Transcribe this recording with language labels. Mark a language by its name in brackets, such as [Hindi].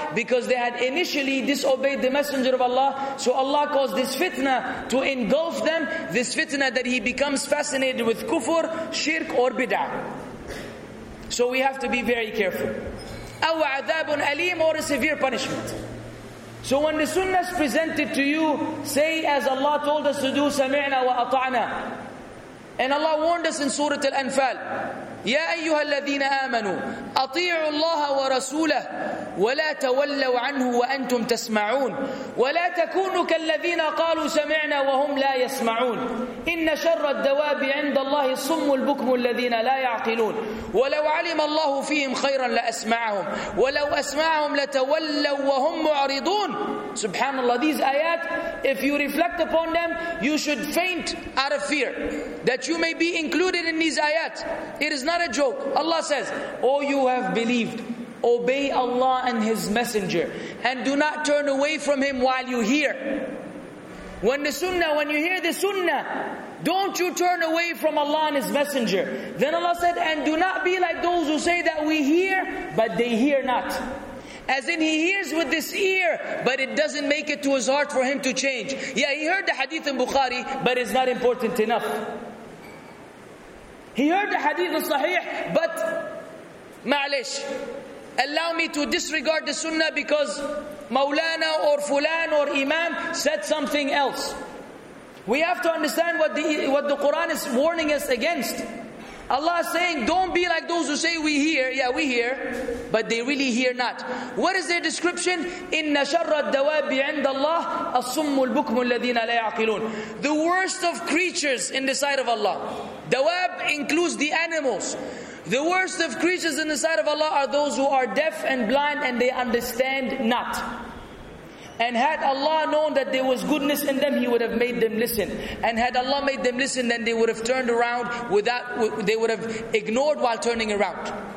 [English] Because they had initially disobeyed the Messenger of Allah, so Allah caused this fitna to engulf them, this fitna that he becomes fascinated with kufr, shirk or bid'ah. So we have to be very careful. [Arabic] أَوْ عَذَابٌ أَلِيمٌ [English] Or a severe punishment. So when the sunnah is presented to you, say as Allah told us to do, [Arabic] سَمِعْنَا وَأَطَعْنَا. [English] And Allah warned us in Surah Al-Anfal, [Arabic] يَا أَيُّهَا الَّذِينَ آمَنُوا أَطِيعُوا اللَّهَ وَرَسُولَهُ وَلَا تَوَلَّوْا عَنْهُ وَأَنْتُمْ تَسْمَعُونَ وَلَا تَكُونُوا كَالَّذِينَ قَالُوا سَمِعْنَا وَهُمْ لَا يَسْمَعُونَ إِنَّ شَرَّ الدَّوَابِ عِنْدَ اللَّهِ الصُّمُّ الْبُكْمُ الَّذِينَ لَا يَعْقِلُونَ وَلَوْ عَلِمَ اللَّهُ فِيهِمْ خَيْرًا لَّأَسْمَعَهُمْ وَلَوْ أَسْمَعَهُمْ لَتَوَلَّوا وَهُمْ مُعْرِضُونَ [English] Subhanallah, these ayat, if you reflect upon them, you should faint out of fear that you may be included in these ayat. It is not a joke. Allah says, oh, you have believed, obey Allah and His Messenger and do not turn away from Him while you hear. When the sunnah, when you hear the sunnah, don't you turn away from Allah and His Messenger. Then Allah said, and do not be like those who say that we hear, but they hear not. As in he hears with this ear, but it doesn't make it to his heart for him to change. Yeah, he heard the hadith in Bukhari, but it's not important enough. He heard the hadith in Sahih, but ma'alish, allow me to disregard the sunnah because Mawlana or Fulan or Imam said something else. We have to understand what the Quran is warning us against. Allah is saying, don't be like those who say we hear. Yeah, we hear, but they really hear not. What is their description? [Arabic] إِنَّ شَرَّ الدَّوَابِ عِنْدَ اللَّهِ الصُّمُّ الْبُكْمُ الَّذِينَ لَا يَعْقِلُونَ [English] The worst of creatures in the sight of Allah. Dawab includes the animals. The worst of creatures in the sight of Allah are those who are deaf and blind and they understand not. And had Allah known that there was goodness in them, He would have made them listen. And had Allah made them listen, then they would have turned around without, they would have ignored while turning around.